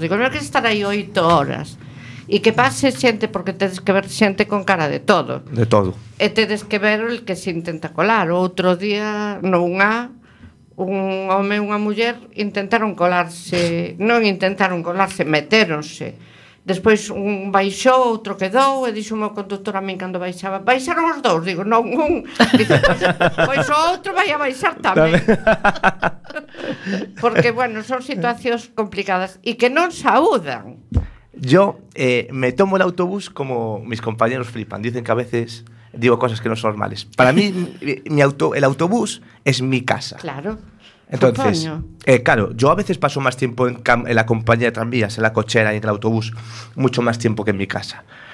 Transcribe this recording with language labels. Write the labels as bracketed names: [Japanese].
[Galician] Digo, non é que estar aí 8 horas. E que pase xente, porque tedes que ver xente con cara de todo. De todo. E tedes que ver [Spanish] el que se intenta colar. [Galician] Outro día, un home e unha muller intentaron colarse. Non intentaron colarse, meteronse. Despois un baixou, outro quedou e dixo o conductor a min cando baixaba: baixaron os dous, digo, non un. Dice, pois o outro vai a baixar tamén. Porque, bueno, son situacións complicadas e que non saúdan. [Spanish] Yo me tomo el autobús como mis compañeros flipan. Dicen que a veces digo cosas que non son normales. Para mí, el autobús es mi casa. Claro. Entonces, claro, yo a veces paso más tiempo en la compañía de tranvías, en la cochera y en el autobús, mucho más tiempo que en mi casa.